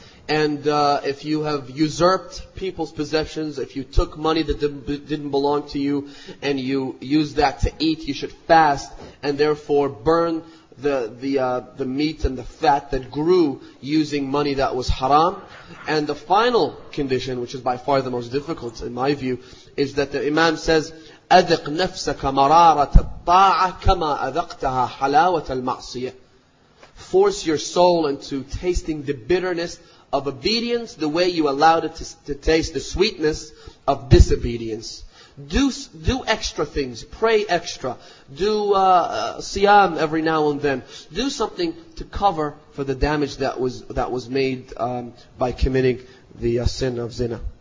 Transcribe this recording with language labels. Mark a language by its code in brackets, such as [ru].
[en] And if you have usurped people's possessions, if you took money that didn't belong to you and you used that to eat, you should fast and therefore burn the meat and the fat that grew using money that was haram. And the final condition, which is by far the most difficult in my view, is that the imam says, [ar] أذق نفسك مرارة الطاعة كما أذقتها حلاوة المعصية. [en] Force your soul into tasting the bitterness of obedience the way you allowed it to taste the sweetness of disobedience. Do extra things. Pray extra. Do siyam every now and then. Do something to cover for the damage that was made by committing the sin of zina.